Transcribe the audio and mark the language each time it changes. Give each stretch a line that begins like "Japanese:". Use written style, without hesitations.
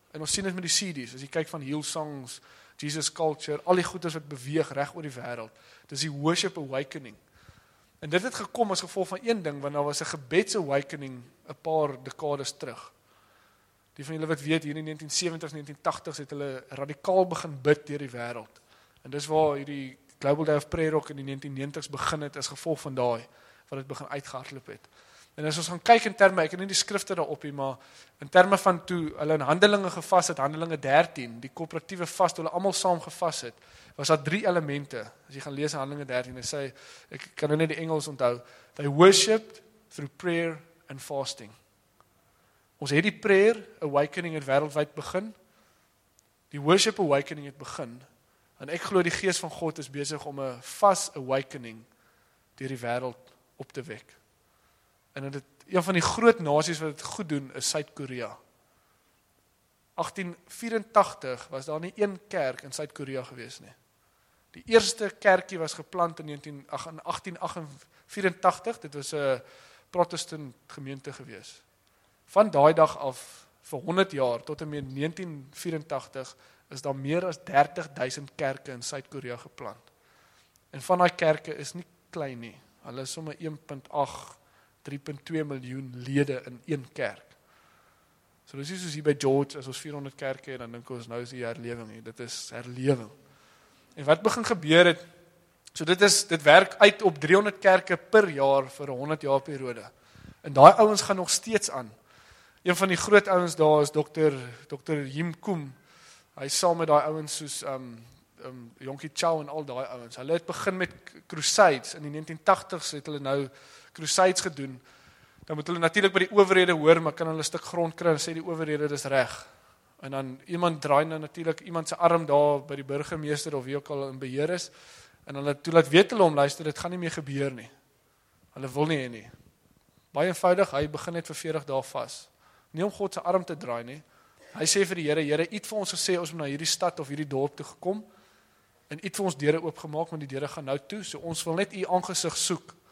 Afrikaans: En ons sien dit met die CDs, as jy kyk van Hillsongs, Jesus Culture, al die goeders wat beweeg reg oor die wêreld. Dis die worship awakening. En dit het gekom as gevolg van een ding, want daar was 'n gebeds awakening 'n paar dekades terug. Die van julle wat weet, hier in die 1970s, 1980s het hulle radikaal begin bid deur die wêreld. En dis waar hierdie Global Day of Prayer ook in die 1990s begin het as gevolg van daai wat het begin uitgehardloop het. En as ons gaan kyk in terme, ek het nie die skrifte daarop nie, maar in terme van toe hulle in Handelinge gevas het, Handelinge 13, die koöperatiewe vas, hulle almal saam gevas het, was daar drie elemente. As jy gaan lees in Handelinge 13, hy sê, ek kan nou net die Engels onthou,
English: they worshipped through prayer and fasting.
Afrikaans: Ons het die prayer awakening het wêreldwyd begin, die worship awakening het begin, en ek glo die Gees van God is besig om 'n vas awakening deur die wêreld op te wek. En het, een van die groot nasies wat het goed doen is Suid-Korea. 1884 was daar nie een kerk in Suid-Korea gewees nie. Die eerste kerkie was geplant in 1884, dit was 'n protestant gemeente gewees. Van daai dag af, vir 100 jaar, tot en met 1984, is daar meer as 30.000 kerke in Suid-Korea geplant. En van die kerke is nie klein nie. Hulle is sommer 1.8, 3.2 miljoen lede in een kerk. So dit is soos hier by George, as ons 400 kerke het, dan dink ons nou is die herlewing. Dit is herlewing. En wat begin gebeur het, so dit werk uit op 300 kerke per jaar vir 100 jaar periode. En daai ouens gaan nog steeds aan. Een van die groot ouens daar is Dr. Jim Koem. Hy saam met daai ouens soos Jonkie Chow en al daai ouens. Hulle het begin met crusades. In die 1980s het hulle nou crusades gedoen. Dan moet hulle natuurlik by die owerhede hoor, maar kan hulle 'n stuk grond kry en sê die owerhede dis reg. En dan iemand draai nou natuurlik iemand se arm daar by die burgemeester of wie ook al in beheer is. En hulle toe laat weet hulle om, luister, dit gaan nie meer gebeur nie. Hulle wil nie hê nie. Baie eenvoudig, hy begin net vir 40 dae vas. Nie om God se arm te draai nie. Hy sê vir die Here, Here, iets vir ons gesê, ons moet na hierdie stad of hierdie dorp toe gekom en iets vir ons deure oopgemaak, maar die deure gaan nou toe, so ons wil net u aangesig soek.